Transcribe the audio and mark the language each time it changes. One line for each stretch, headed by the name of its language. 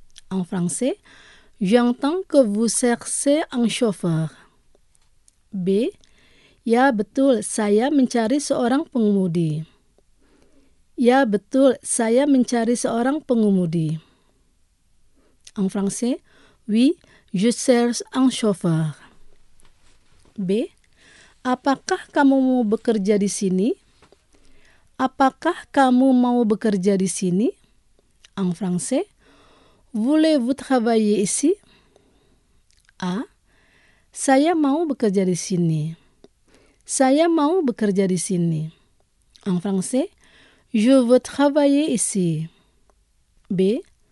French: En français, j'entends que vous cherchez un chauffeur. B.
Indonesian: Ya betul, saya mencari seorang pengemudi. Ya betul, saya mencari seorang pengemudi.
French: En français, oui, je cherche un chauffeur. B.
Indonesian: Apakah kamu mau bekerja di sini? Apakah kamu mau bekerja di sini?
French: En français, voulez-vous travailler ici? A.
Indonesian: Saya mau bekerja di sini. Saya mau bekerja di sini.
French: En français, je veux travailler ici. B.